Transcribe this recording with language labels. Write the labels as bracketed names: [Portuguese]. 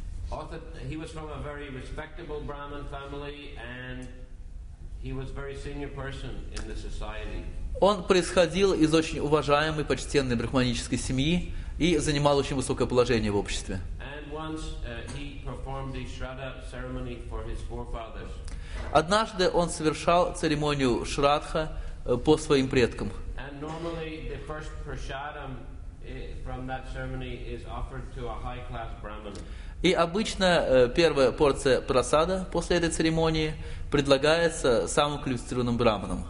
[English] author, he was from a very respectable Brahmin family, and he was very senior person in the society. [Russian] Он происходил из очень уважаемой, почтенной брахманической семьи и занимал очень высокое положение в обществе. [English] And once, he performed the Shraddha ceremony for his forefathers. [Russian] Однажды он совершал церемонию Шрадха по своим предкам. [English] And normally the first prasadam from that ceremony is offered to a high-class Brahmin. [Russian] И обычно первая порция просада после этой церемонии предлагается самым квалифицированным браманам.